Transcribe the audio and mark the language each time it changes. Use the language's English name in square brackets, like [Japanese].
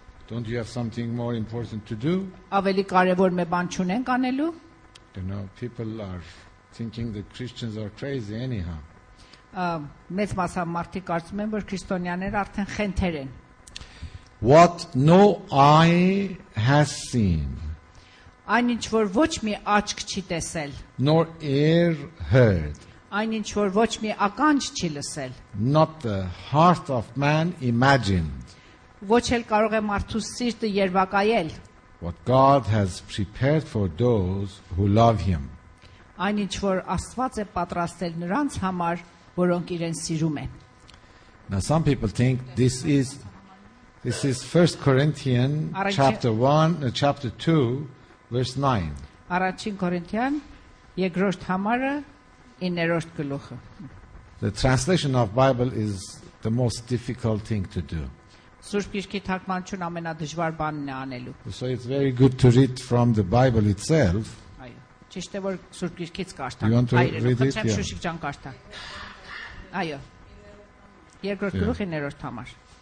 [English] Don't you have something more important to do? [Armenian] Aveli karevor me ban chunenk anelu? [English] You know, people are thinking that Christians are crazy anyhow. [Armenian] Մեծ մասամբ մարդիկ կարծում են, որ քրիստոնյաները արդեն խենթեր են. [English] What no eye has seen. [Armenian] Այնինչ որ ոչ մի աչք չի տեսել. [English] Nor ear heard. [Armenian] Այնինչ որ ոչ մի ականջ չի լսել. [English] Not the heart of man imagined. [Armenian] Ոչ էլ կարող է մարդու սիրտը երևակայել. [English] What God has prepared for those who love him. [Armenian] Այնինչ որ Աստված է պատրաստել նրանց համար, որոնք իրեն սիրում են. [English] Now some people think this is 1 Corinthians chapter 1, chapter 2, verse 9. [Armenian] Առաջին Կորինթյան երկրորդ համարը 9-րդ գլուխը. [English] The translation of Bible is the most difficult thing to do. [Armenian] Սուրբ Գիրքի թարգմանչուն ամենադժվար բանն է անելու. [English] So it's very good to read from the Bible itself. [Armenian] Այո, ճիշտ է, որ Սուրբ Գիրքից կարդալ, այլ չէ Շուշիկ ջան կարդալ. Այո. Երկրորդ գլուխի 9-րդ համար.